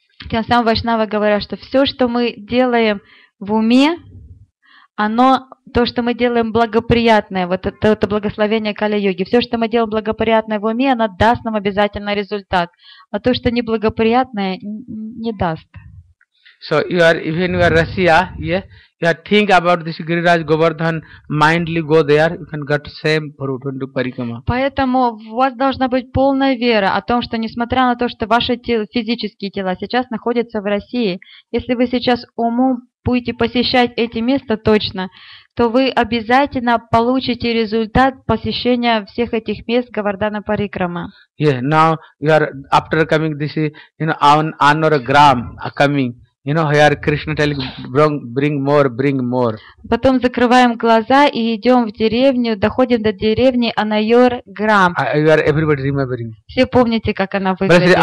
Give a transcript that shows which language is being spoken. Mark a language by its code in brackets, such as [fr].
[ru] Тем самым вайшнавы говорят, что все, что мы делаем в уме, оно, то, что мы делаем благоприятное, вот это благословение Кали-йоги, все, что мы делаем благоприятное в уме, оно даст нам обязательно результат. А то, что неблагоприятное, не даст. [en] So you are, even you are Russia, yeah, you are think about this Giriraj Govardhan, mindly go there, you can get same fruit and do parikrama. [ru] Поэтому у вас должна быть полная вера о том, что несмотря на то, что ваши физические тела сейчас находятся в России, если вы сейчас умом будете посещать эти места точно, то вы обязательно получите результат посещения всех этих мест Говардхана Парикрама. [en] Yeah, now you are after coming this, you know, Anuragram coming. You know, here Krishna tells bring, bring more, bring more. [ru] Потом закрываем глаза и идем в деревню, доходим до деревни Анайор-грам. [en] You are everybody remembering. [ru] Все помните, как она выглядит.